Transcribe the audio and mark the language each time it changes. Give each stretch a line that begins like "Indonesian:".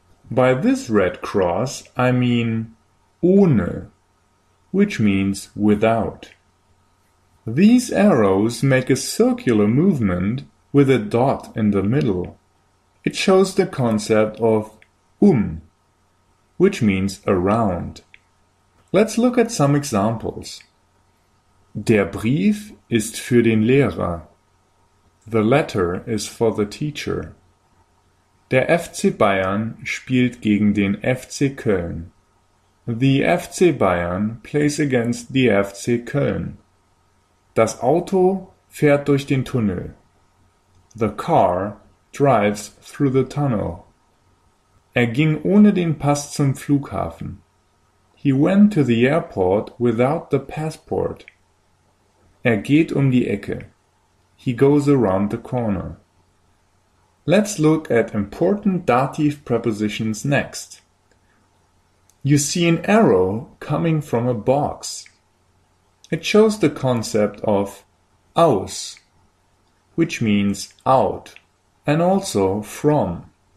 English: By this red cross, I mean ohne, which means without. These arrows make a circular movement with a dot in the middle. It shows the concept of which means around. Let's look at some examples.
German: Der Brief ist für den Lehrer.
English: The letter is for the teacher.
German: Der FC Bayern spielt gegen den FC Köln.
English: The FC Bayern plays against the FC Köln.
German: Das Auto fährt durch den Tunnel.
English: The car drives through the tunnel.
German: Er ging ohne den Pass zum Flughafen.
English: He went to the airport without the passport.
German: Er geht die Ecke.
English: He goes around the corner. Let's look at important dative prepositions next. You see an arrow coming from a box. It shows the concept of aus, which means out, and also from.